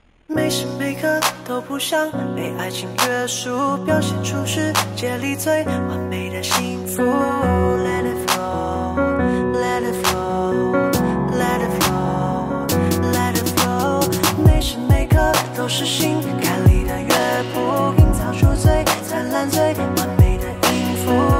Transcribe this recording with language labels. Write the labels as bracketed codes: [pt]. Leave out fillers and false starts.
[zh] 每时每刻都不想被爱情约束，表现出世界里最完美的幸福。 [en] Let it flow, let it flow, let it flow, let it flow。 [zh] 每时每刻都是心坎里的乐谱，营造出最灿烂最完美的音符。